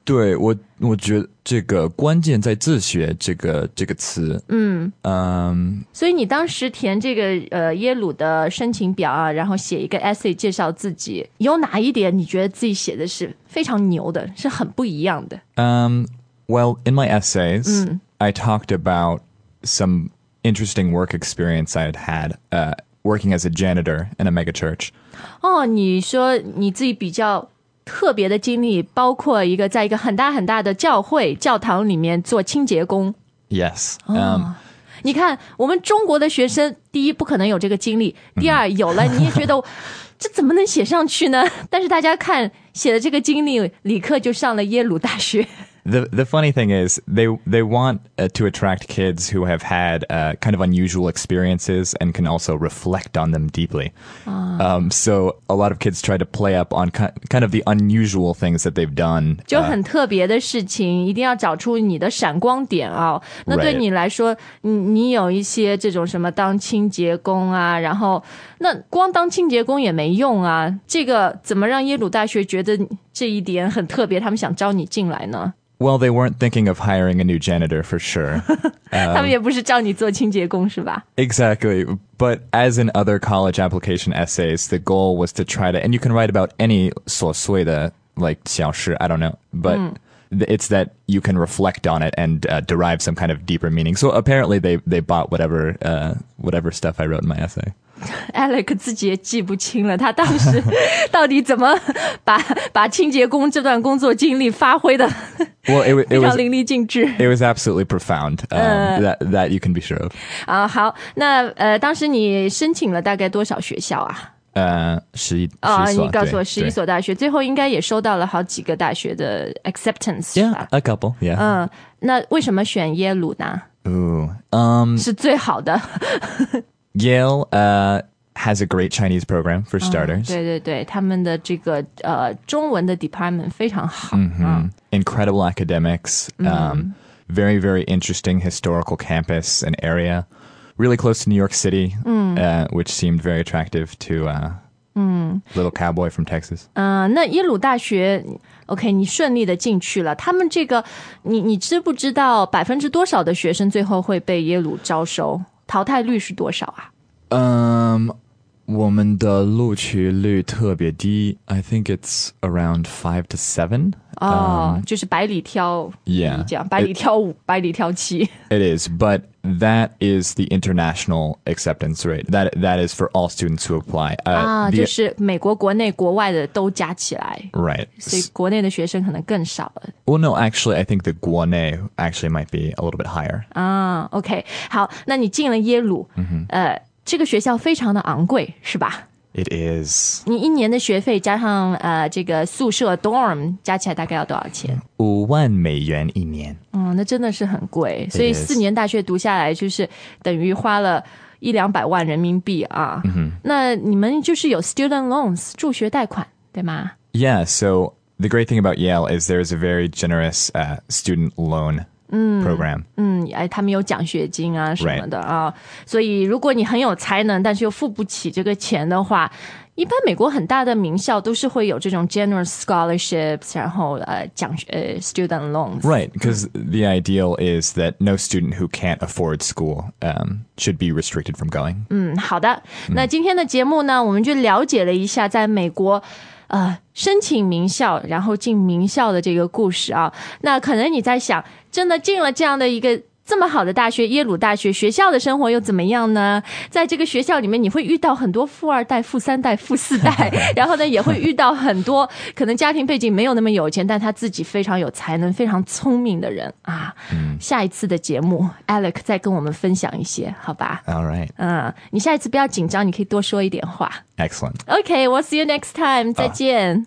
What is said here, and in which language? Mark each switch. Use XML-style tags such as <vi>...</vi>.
<zh>对，我觉得这个关键在自学这个词。所以你当时填这个耶鲁的申请表啊，然后写一个 essay 介绍自己，有哪一点你觉得自己写的是非常牛的，是很不一样的？</zh> <en>Well, in my essays, I talked about some interesting work experience I had had, working as a janitor in a mega church.</en> <zh>哦，你说你自己比较特别的经历，包括一个在一个很大很大的教会教堂里面做清洁工。</zh> <en>Yes.</en> <zh>你看，我们中国的学生，第一不可能有这个经历，第二有了你也觉得这怎么能写上去呢？但是大家看写的这个经历，立刻就上了耶鲁大学。</zh> <en>The funny thing is, they want to attract kids who have had kind of unusual experiences and can also reflect on them deeply. So a lot of kids try to play up on kind of the unusual things that they've done.</en> <zh>就很特别的事情，一定要找出你的闪光点啊。那对你来说，你有一些这种什么当清洁工啊，然后那光当清洁工也没用啊。这个怎么让耶鲁大学觉得这一点很特别，他们想招你进来呢？</zh> <en>Well, they weren't thinking of hiring a new janitor, for sure.</en> <zh>他们也不是叫你做清洁工是吧？</zh> <en>Exactly. But as in other college application essays, the goal was to try to, and you can write about any</en> <zh>琐碎的</zh> <en>like</en> <zh>小事,</zh> <en>I don't know, but it's that you can reflect on it and derive some kind of deeper meaning. So apparently they bought whatever stuff I wrote in my essay.</en> <zh>Alec 自己也记不清了，他当时到底怎么把清洁工这段工作经历发挥的非常淋漓尽致。</zh> <en>It was absolutely profound, that you can be sure of.</en> <zh>好，那当时你申请了大概多少学校啊？十一所。你告诉我十一所大学，最后应该也收到了好几个大学的 acceptance,</zh> <en>Yeah, a couple, yeah.</en> <zh>那为什么选耶鲁呢？是最好的。</zh> <en>Yale has a great Chinese program, for starters.</en> <zh>对对对，他们的这个中文的 department 非常好。</zh> <en>Incredible academics, very, very interesting historical campus and area. Really close to New York City, which seemed very attractive to little cowboy from Texas.</en> <zh>那耶鲁大学 ,OK, 你顺利的进去了。他们这个你知不知道百分之多少的学生最后会被耶鲁招收？淘汰率是多少啊？我们的录取率特别低</zh> <en>，I think it's around 5 to 7。</en> <zh>就是百里挑</zh> <en>，yeah,</en> <zh>这样百里挑五，百里挑七。</zh> <en>It is, but that is the international acceptance rate. That is for all students who apply.</en> <zh>就是美国国内国外的都加起来</zh> <en>，right？</en> <zh>所以国内的学生可能更少了。</zh> <en>Well, no, actually, I think the</en> <zh>国内</zh> <en>actually might be a little bit higher.</en> <zh>OK, 好，那你进了耶鲁，这个学校非常的昂贵，是吧？</zh> <en>It is.</en> <zh>你一年的学费加上这个宿舍 dorm 加起来大概要多少钱？ $50,000一年。那真的是很贵。所以四年大学读下来就是等于花了100,000-200,000人民币啊。那你们就是有 student loans 助学贷款，对吗？</zh> <en>Yeah. So the great thing about Yale is there is a very generous student loan. Program.</en> <zh>他们有奖学金啊什么的啊。所以如果你很有才能但是又付不起这个钱的话一般美国很大的名校都是会有这种</zh> <en>generous scholarships,</en> <zh>然后student loans.</zh> <en>Right, because the ideal is that no student who can't afford school should be restricted from going.</en> <zh>嗯，好的。那今天的节目呢，我们就了解了一下在美国申请名校然后进名校的这个故事啊。那可能你在想，真的进了这样的一个这么好的大学，耶鲁大学，学校的生活又怎么样呢？在这个学校里面，你会遇到很多富二代、富三代、富四代，然后呢，也会遇到很多可能家庭背景没有那么有钱，但他自己非常有才能、非常聪明的人啊。下一次的节目 ，Alec 再跟我们分享一些，好吧</zh> <en>？All right.</en> <zh>嗯，你下一次不要紧张，你可以多说一点话。</zh> <en>Excellent. Okay, we'll see you next time.</en> <zh>再见。</zh>